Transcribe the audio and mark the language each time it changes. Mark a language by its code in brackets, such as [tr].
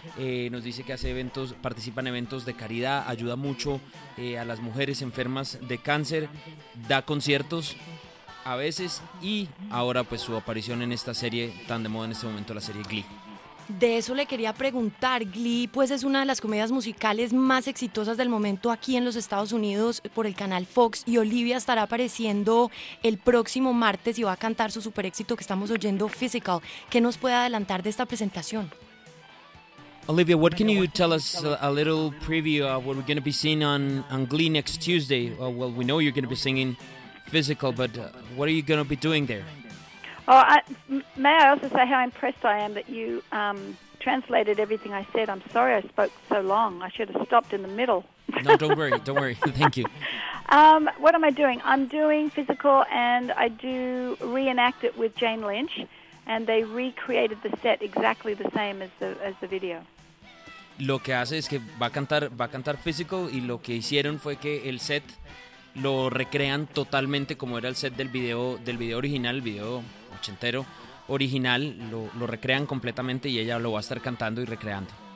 [es] Nos dice que hace eventos, participa en eventos de caridad, ayuda mucho a las mujeres enfermas de cáncer, da conciertos a veces, y ahora pues su aparición en esta serie tan de moda en este momento, la serie Glee. De eso le quería preguntar. Glee pues es una de las comedias musicales más exitosas del momento aquí en los Estados Unidos por el canal Fox, y Olivia estará apareciendo el próximo martes y va a cantar su super éxito que estamos oyendo, Physical. ¿Qué nos puede adelantar de esta presentación? [en] Olivia, what can you tell us a little preview of what we're going to be seeing on Glee next Tuesday? Well, we know you're going to be singing Physical, but what are you going to be doing there? Oh, may I also say how impressed I am that you translated everything I said. I'm sorry I spoke so long. I should have stopped in the middle. No, don't worry. Don't worry. Thank you. What am I doing? I'm doing Physical, and I do reenact it with Jane Lynch, and they recreated the set exactly the same as the video. [es] Lo que hace es que va a cantar Physical, y lo que hicieron fue que el set lo recrean totalmente como era el set del video original, el video ochentero original, lo recrean completamente y ella lo va a estar cantando y recreando.